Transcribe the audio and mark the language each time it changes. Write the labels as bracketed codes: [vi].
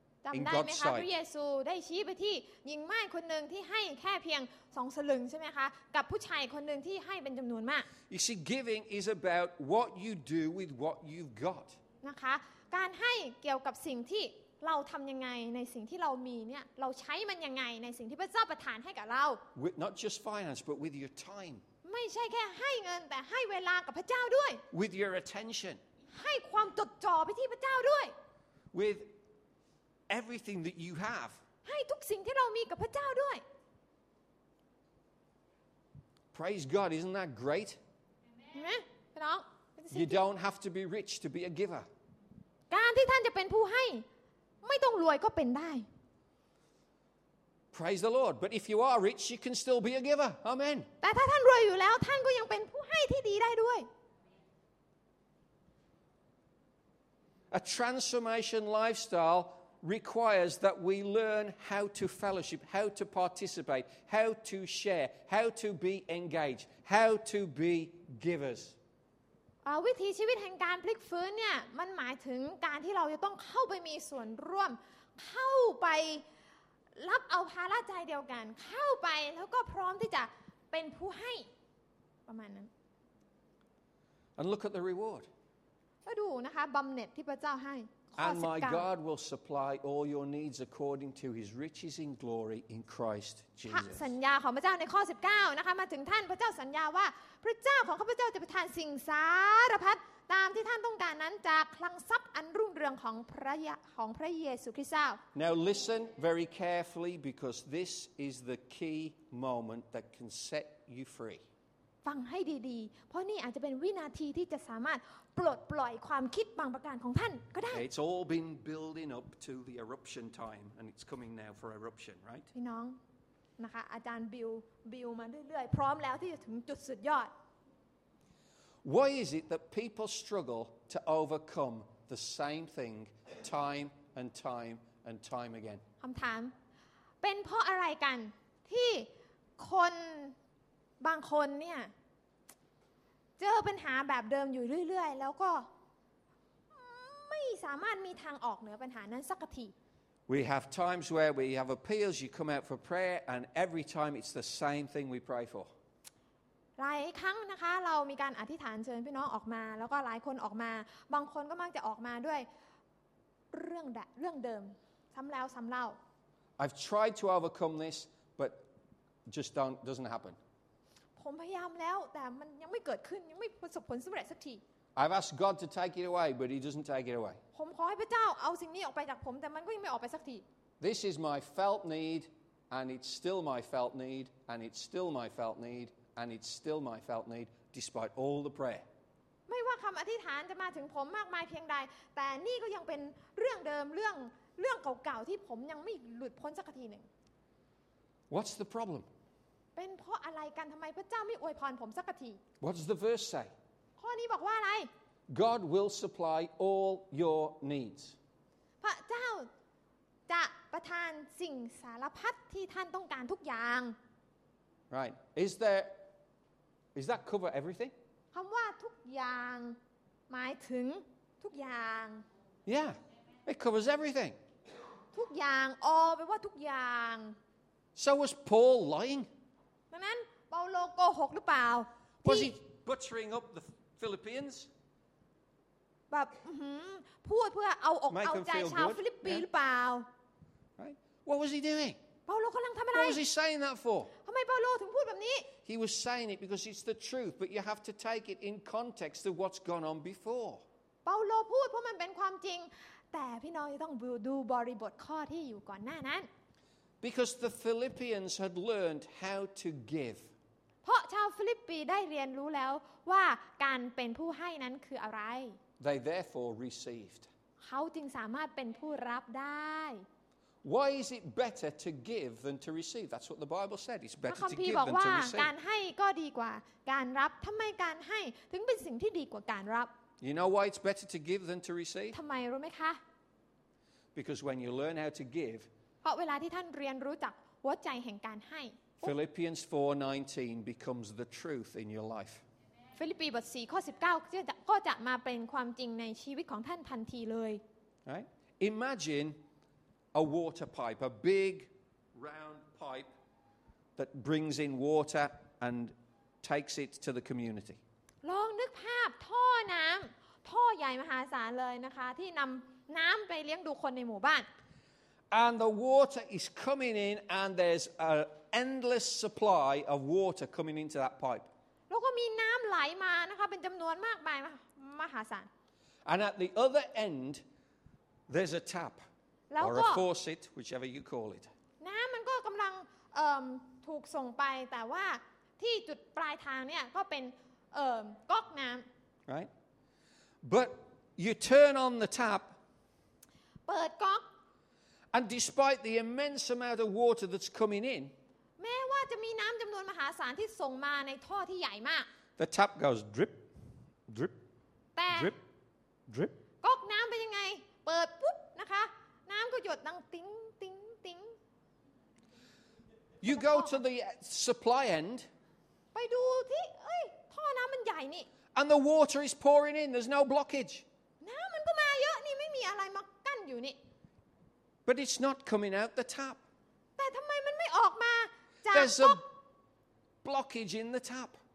[th] จำได้ไหมคะพระเยซูได้ชี้ไปที่หญิงม่ายคนหนึ่งที่ให้แค่เพียง2 สลึงใช่ไหมคะกับผู้ชายคนหนึ่งที่ให้เป็นจำนวนมาก [en] You see, giving is about what you do with what you've got. [th] นะคะการให้เกี่ยวกับสิ่งที่เราทำยังไงในสิ่งที่เรามีเนี่ยเราใช้มันยังไงในสิ่งที่พระเจ้าประทานให้กับเรา [en] with not just finance but with your time. [th] ไม่ใช่แค่ให้เงินแต่ให้เวลากับพระเจ้าด้วย [en] with your attention. [th] ให้ความจดจ่อไปที่พระเจ้าด้วย [en] withEverything that you have. [th] ให้ทุกสิ่งที่เรามีกับพระเจ้าด้วย [en] Praise God, isn't that great? Amen. [th] พี่น้อง [en] You don't have to be rich to be a giver. [th] การที่ท่านจะเป็นผู้ให้ไม่ต้องรวยก็เป็นได้ [en] Praise the Lord. But if you are rich, you can still be a giver. Amen. [th] แต่ถ้าท่านรวยอยู่แล้วท่านก็ยังเป็นผู้ให้ที่ดีได้ด้วย [en] A transformation lifestyle. Requires that we learn how to fellowship, how to participate, how to share, how to be engaged, how to be givers. [th] วิถีชีวิตแห่งการพลิกฟื้นเนี่ยมันหมายถึงการที่เราจะต้องเข้าไปมีส่วนร่วมเข้าไปรับเอาภาระใจเดียวกันเข้าไปแล้วก็พร้อมที่จะเป็นผู้ให้ประมาณนั้น [en] And look at the reward [th] ก็ดูนะคะบำเหน็จที่พระเจ้าให้ [en] And my God will supply all your needs according to His riches in glory in Christ Jesus. [th] สัญญาของพระเจ้าในข้อ19นะคะมาถึงท่านพระเจ้าสัญญาว่าพระเจ้าของข้าพเจ้าจะประทานสิ่งสารพัดตามที่ท่านต้องการนั้นจากคลังทรัพย์อันรุ่งเรืองของพระเยซูคริสต์เจ้า [en] Now listen very carefully because this is the key moment that can set you free. [th] ฟังให้ดีๆเพราะนี่อาจจะเป็นวินาทีที่จะสามารถปลดปล่อยความคิดบางประการของท่านก็ได้ [en] It's all been building up to the eruption time and it's coming now for eruption right [th] พี่น้องนะคะอาจารย์บิวมาเรื่อยๆพร้อมแล้วที่จะถึงจุดสุดยอด [en] Why is it that people struggle to overcome the same thing time and time and time again [th] คําถามเป็นเพราะอะไรกันที่คนบางคนเนี่ยเจอปัญหาแบบเดิมอยู่เรื่อยๆแล้วก็ไม่สามารถมีทางออกเหนือปัญหานั้นสักที [en] We have times where we have appeals you come out for prayer and every time it's the same thing we pray for [th] หลายครั้งนะคะเรามีการอธิษฐานเชิญพี่น้องออกมาแล้วก็หลายคนออกมาบางคนก็มักจะออกมาด้วยเรื่องเดิมซ้ำแล้วซ้ำเล่า [en] I've tried to overcome this but just doesn't happen [th] ผมพยายามแล้วแต่มันยังไม่เกิดขึ้นยังไม่ประสบผลสําเร็จสักที [en] I've asked God to take it away but he doesn't take it away [th] ผมขอให้พระเจ้าเอาสิ่งนี้ออกไปจากผมแต่มันก็ยังไม่ออกไปสักที [en] This is my felt need and it's still my felt need and it's still my felt need and it's still my felt need despite all the prayer [th] ไม่ว่าคําอธิษฐานจะมาถึงผมมากมายเพียงใดแต่นี่ก็ยังเป็นเรื่องเดิมเรื่องเก่าๆที่ผมยังไม่หลุดพ้นสักทีนึง [en] What's the problem [th] เป็นเพราะอะไรกันทำไมพระเจ้าไม่อวยพรผมสักที [en] What does the verse say? [th] ข้อนี้บอกว่าอะไร [en] God will supply all your needs. [th] พระเจ้าจะประทานสิ่งสารพัดที่ท่านต้องการทุกอย่าง [en] Right. Is that cover everything? [th] คำว่าทุกอย่างหมายถึงทุกอย่าง [en] Yeah. It covers everything. [th] ทุกอย่างออแปลว่าทุกอย่าง [en] So was Paul lying? [th] ดังนั้นเปาโลโกหกหรือเปล่า [en] Was he butchering up the Philippians? [th] แบบพูดเพื่อเอาอกเอาใจชาวฟิลิปปีหรือเปล่า [en] Right? What was he doing? [th] เปาโลกำลังทำอะไร [en] What was he saying that for? [th] ทำไมเปาโลถึงพูดแบบนี้ [en] He was saying it because it's the truth, but you have to take it in context of what's gone on before. [th] เปาโลพูดเพราะมันเป็นความจริงแต่พี่น้องจะต้องดูบริบทข้อที่อยู่ก่อนหน้านั้น [en] Because the Philippians had learned how to give. [th] เพราะชาวฟิลิปปีได้เรียนรู้แล้วว่าการเป็นผู้ให้นั้นคืออะไร [en] They therefore received. [th] เขาจึงสามารถเป็นผู้รับได้ [en] Why is it better to give than to receive? That's what the Bible said. It's better to give than to receive. [th] บอกว่าการให้ก็ดีกว่าการรับทำไมการให้ถึงเป็นสิ่งที่ดีกว่าการรับ [en] You know why it's better to give than to receive? [th] ทำไมรู้ไหมคะ [en] Because when you learn how to give. [th] เพราะเวลาที่ท่านเรียนรู้จักหัวใจแห่งการให้ [en] Philippians 4:19 becomes the truth in your life. [th] ฟิลิปปีบทสี่ข้อ19ก็จะมาเป็นความจริงในชีวิตของท่านทันทีเลย [en] Right? Imagine a water pipe, a big round pipe that brings in water and takes it to the community. [th] ลองนึกภาพท่อน้ำท่อใหญ่มหาศาลเลยนะคะที่นำน้ำไปเลี้ยงดูคนในหมู่บ้าน [en] And the water is coming in, and there's an endless supply of water coming into that pipe. [th] แล้วก็มีน้ำไหลมานะคะเป็นจำนวนมากมายมหาศาล [en] And at the other end, there's a tap, or a faucet, whichever you call it. [th] น้ำมันก็กำลังถูกส่งไปแต่ว่าที่จุดปลายทางเนี่ยก็เป็นก๊อกน้ำ [en] Right? But you turn on the tap. [th] เปิดก๊อก [en] And despite the immense amount of water that's coming in, [th] แม้ว่าจะมีน้ำจำนวนมหาศาลที่ส่งมาในท่อที่ใหญ่มาก [en] the tap goes drip, drip, drip, drip. [th] ก๊อกน้ำเป็นยังไงเปิดปุ๊บนะคะน้ำก็หยดดังติ๊งติ๊งติ๊ง [en] You go to the supply end. [th] ไปดูที่เอ้ยท่อน้ำมันใหญ่นี่ A [en] And the water is pouring in. There's no blockage. [th] น้ำมันก็มาเยอะนี่ไม่มีอะไรมากั้นอยู่นี่ [en] But it's not coming out the tap. [th] แต่ทำไมมันไม่ออกมาจากก๊อก [en] There's a blockage in the tap.